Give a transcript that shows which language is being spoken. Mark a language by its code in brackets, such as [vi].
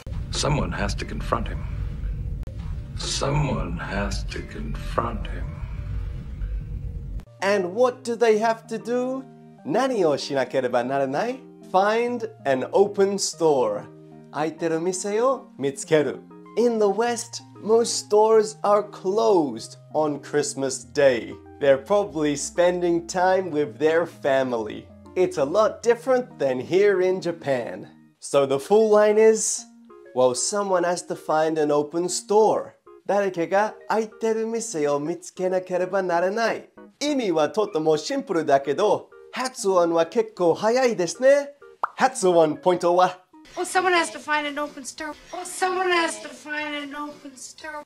[en] Someone has to confront him. Someone has to confront him. And what do they have to do? [ja] 何をしなければならない? [en] Find an open store. [ja] 空いてる店を見つける. [en] In the West, most stores are closed on Christmas Day. They're probably spending time with their family. It's a lot different than here in Japan. So the full line is, well, someone has to find an open store. [ja] 誰かが空いてる店を見つけなければならない。意味はとてもシンプルだけど、発音は結構早いですね。発音ポイントは。 [en] Well, someone has to find an open store. Well, someone has to find an open store.